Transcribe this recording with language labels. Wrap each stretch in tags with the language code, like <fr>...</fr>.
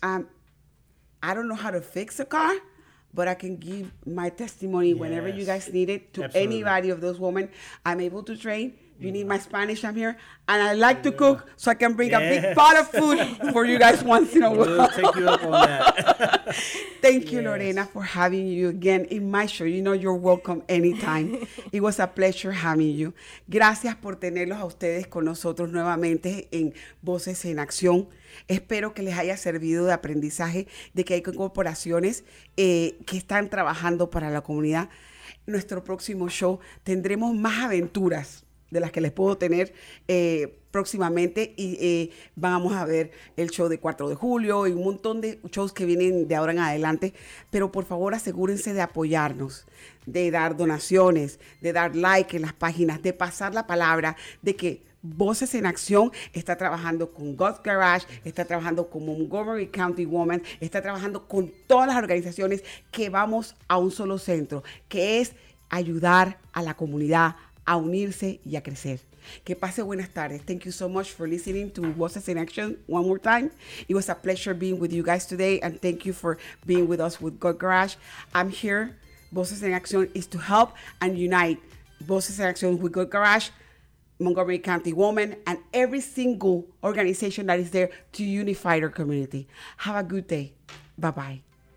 <en>I don't know how to fix a car, but I can give my testimony whenever you guys need it to anybody of those women. I'm able to train. You need my Spanish, I'm here. And I like to cook, so I can bring a big pot of food for you guys once in a while. We'll take you up on that. Thank you, Lorena, for having you again in my show. You know you're welcome anytime. It was a pleasure having you.</en> <es>Gracias por tenerlos a ustedes con nosotros nuevamente en Voces en Acción. Espero que les haya servido de aprendizaje de que hay corporaciones que están trabajando para la comunidad. Nuestro próximo show tendremos más aventuras de las que les puedo tener próximamente y vamos a ver el show de 4 de julio y un montón de shows que vienen de ahora en adelante. Pero por favor asegúrense de apoyarnos, de dar donaciones, de dar like en las páginas, de pasar la palabra de que Voces en Acción está trabajando con God's Garage, está trabajando con Montgomery County Women, está trabajando con todas las organizaciones que vamos a un solo centro, que es ayudar a la comunidad a unirse y a crecer. Que pase buenas tardes.</es> <en>Thank you so much for listening to Voices in Action one more time. It was a pleasure being with you guys today, and thank you for being with us with God Garage. I'm here. Voices in Action is to help and unite Voices in Action with God Garage, Montgomery County Women, and every single organization that is there to unify our community. Have a good day. Bye-bye.</en>